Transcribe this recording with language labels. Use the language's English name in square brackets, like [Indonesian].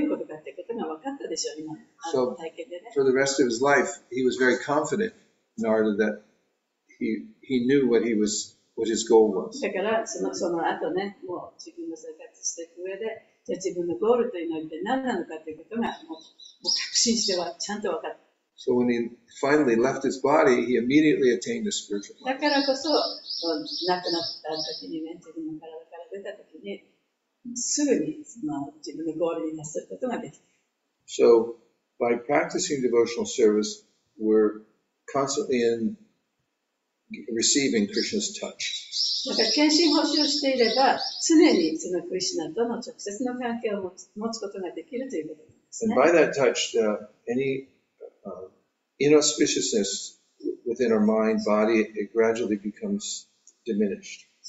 [Japanese] で、そしたらじゃあだからそのゴールに達するね、今がどういうことかっていうことが分かったでしょう、今の体験でね。 [English] So for the rest of his life, he was very confident, Narada, that he knew what he was, what his goal was. [Japanese] だからその後ね、もう自分の生活していく上で、じゃあ自分のゴールというのは一体何なのかっていうことが、もう確信してはちゃんと分かった。 [English] So when he finally left his body, he immediately attained a spiritual life. [Japanese] だからこそ、亡くなった時にね、自分の体から出た時に、すぐにその自分のゴールに達することができた。 [English] So by practicing devotional service, we're constantly in receiving Krishna's touch. [Japanese] だから献身奉仕をしていれば、常にその、クリシュナとの直接の関係を持つことができるということですね。 [English] And by that touch, any inauspiciousness within our mind, body, it gradually becomes diminished.